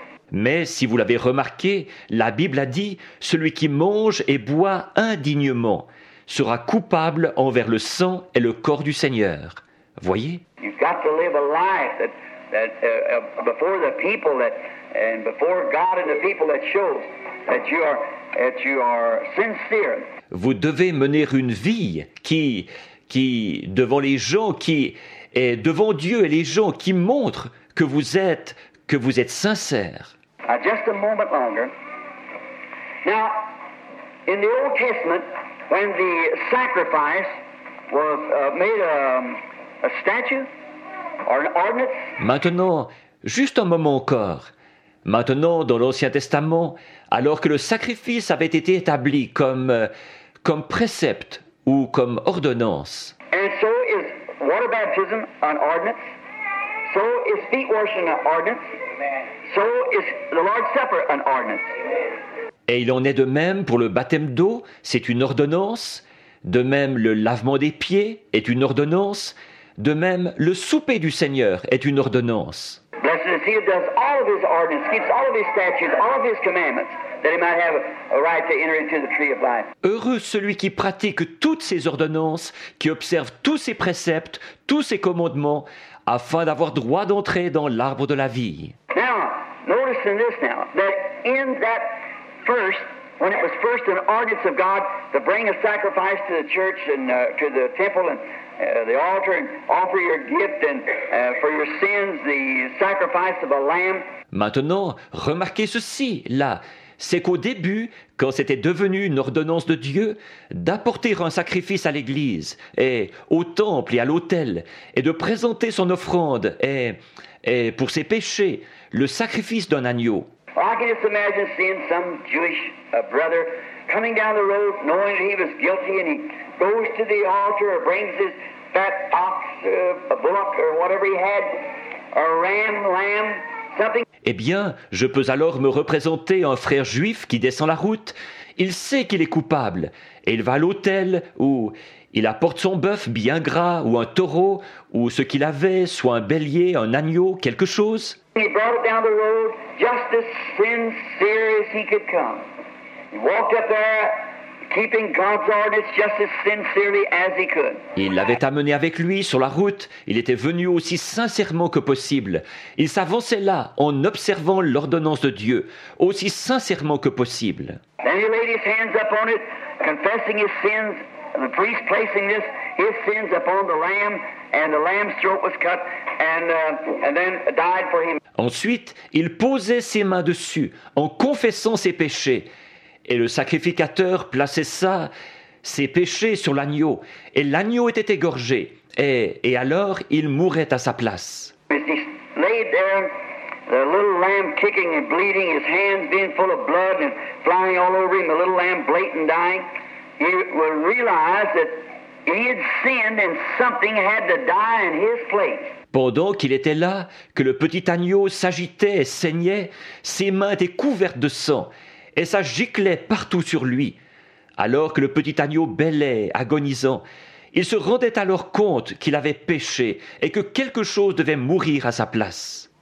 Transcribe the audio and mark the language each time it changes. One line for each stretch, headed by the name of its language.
French: Mais si vous l'avez remarqué, la Bible a dit « Celui qui mange et boit indignement sera coupable envers le sang et le corps du Seigneur. » Voyez.
English: You've got to live a life that, that before the people that, and before God and the people that shows that you are sincere.
French: Vous devez mener une vie qui devant les gens qui et devant Dieu et les gens qui montrent que vous êtes sincère.
English: Just a moment longer. Now, in the Old Testament, when the sacrifice was made a statue or an ordinance.
French: Maintenant, juste un moment encore. Maintenant, dans l'Ancien Testament, alors que le sacrifice avait été établi comme précepte ou comme ordonnance.
English: And so is water baptism an ordinance? So is feet washing an ordinance? So is the Lord's Supper an ordinance?
French: Et il en est de même pour le baptême d'eau, c'est une ordonnance. De même, le lavement des pieds est une ordonnance. De même, le souper du Seigneur est une ordonnance.
English: Blessed is he who does all of his ordinances, keeps all of his statutes, all of his commandments, that he might have a right to enter into the tree of life.
French: Heureux celui qui pratique toutes ses ordonnances, qui observe tous ses préceptes, tous ses commandements, afin d'avoir droit d'entrer dans l'arbre de la vie.
English: Now, notice in this now, that in that first, when it was first an ordinance of God to bring a sacrifice to the church and to the temple and the altar and offer your gift and for your sins the sacrifice of a lamb.
French: Maintenant, remarquez ceci là, c'est qu'au début, quand c'était devenu une ordonnance de Dieu d'apporter un sacrifice à l'église et au temple et à l'autel et de présenter son offrande et pour ses péchés, le sacrifice d'un agneau.
English: Well, I can just imagine seeing some Jewish brother coming down the road, knowing he was guilty, and he goes to the altar or brings his fat ox, a bullock, or whatever he had, a ram, lamb, something.
French: Eh bien, je peux alors me représenter un frère juif qui descend la route. Il sait qu'il est coupable, et il va à l'autel où il apporte son bœuf bien gras, ou un taureau, ou ce qu'il avait, soit un bélier, un agneau, quelque chose.
English: He brought it down the road just as sincere as he could come. He walked up there keeping God's ordinance just as sincerely as he could.
French: Il l'avait amené avec lui sur la route. Il était venu aussi sincèrement que possible. Il s'avançait là en observant l'ordonnance de Dieu aussi sincèrement que possible.
English: Then he laid his hands upon it, confessing his sins, and the priest placing this, his sins upon the lamb. And the lamb's throat was cut, and then died for him.
French: Ensuite, il posait ses mains dessus en confessant ses péchés, et le sacrificateur plaçait ses péchés sur l'agneau, et l'agneau était égorgé, et alors il mourait à sa place.
English: He laid there, the little lamb kicking and bleeding, his hands being full of blood and flying all over him, the little lamb blatant dying. He would realize that. He had sinned and something had to die in his place.
French: Pendant qu'il était là, que le petit agneau s'agitait et saignait, ses mains étaient couvertes de sang et ça giclait partout sur lui. Alors que le petit agneau bêlait, agonisant, il se rendait alors compte qu'il avait péché et que quelque chose devait mourir à sa place.